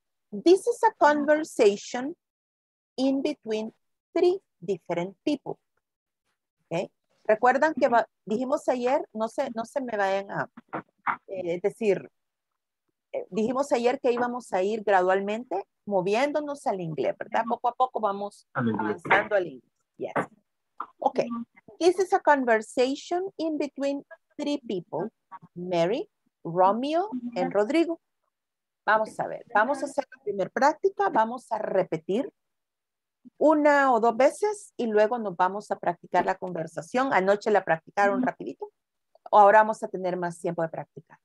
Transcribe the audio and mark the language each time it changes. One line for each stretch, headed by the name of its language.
English: This is a conversation in between three different people. Okay.
Spanish: Recuerdan que dijimos ayer, no se me vayan a decir, dijimos ayer que íbamos a ir gradualmente moviéndonos al inglés, ¿verdad? Poco a poco vamos avanzando al inglés. Yes. Okay.
English: This is a conversation in between three people, Mary, Romeo, and Rodrigo.
Spanish: Vamos a ver, vamos a hacer la primera práctica, vamos a repetir una o dos veces y luego nos vamos a practicar la conversación. Anoche la practicaron rapidito. O ahora vamos a tener más tiempo de practicar.